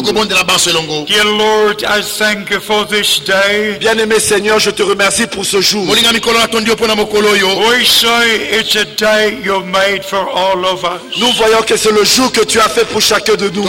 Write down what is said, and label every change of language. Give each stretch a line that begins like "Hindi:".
English: Dear Lord, I thank you for this day.
French: Bien-aimé Seigneur, je te remercie pour ce jour.
English: We say it's a day you made for all of us.
French: Nous voyons que c'est le jour que tu as fait pour chacun de nous.